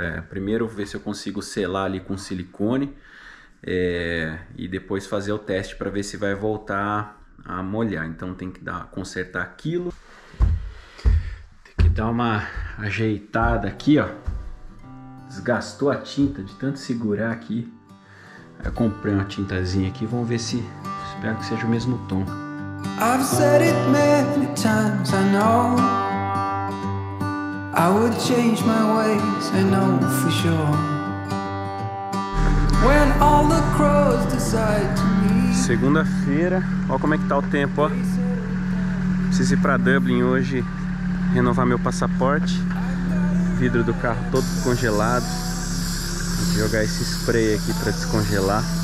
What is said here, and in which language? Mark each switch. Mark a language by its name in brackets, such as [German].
[Portuguese] Primeiro ver se eu consigo selar ali com silicone, e depois fazer o teste pra ver se vai voltar a molhar. Então tem que consertar aquilo. Dá uma ajeitada aqui, ó. Desgastou a tinta de tanto segurar aqui. Eu comprei uma tintazinha aqui, vamos ver se. Espero que seja o mesmo tom. [English] I've said it many times, I know. I would change my ways, I know for sure. When all the crows decide to meet. [Portuguese] Segunda-feira, ó, como é que tá o tempo, ó. Preciso ir pra Dublin hoje. Renovar meu passaporte, vidro do carro todo congelado, vou jogar esse spray aqui para descongelar.